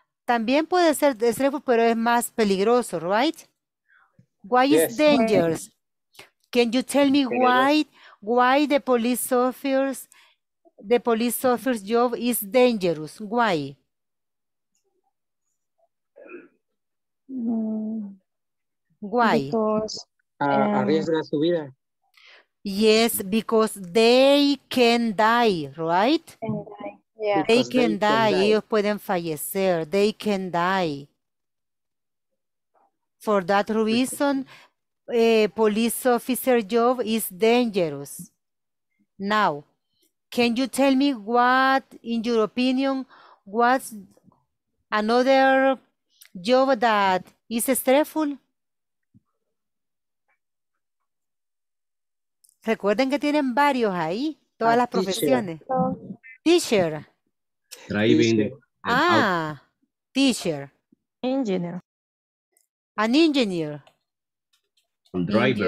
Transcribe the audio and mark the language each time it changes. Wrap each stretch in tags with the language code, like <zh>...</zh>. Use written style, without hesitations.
<es>También puede ser de stressful, pero es más peligroso, right?</es> <en>Why yes. is dangerous? Right. Can you tell me why the police officers, job is dangerous? Why? Why? Because</en> <es>arriesga su vida.</es> <en>Yes, because they can die, right? Can die. Yeah. They, can, they die. Can die.</en> <es>Ellos pueden fallecer.</es> <en>They can die. For that reason, a police officer job is dangerous. Now, can you tell me what, in your opinion, what's another job that is stressful?</en> <es>Recuerden que tienen varios ahí, todas las profesiones.</es> <en>Teacher. Driving. Ah, teacher. Engineer. An engineer. Driver.</en>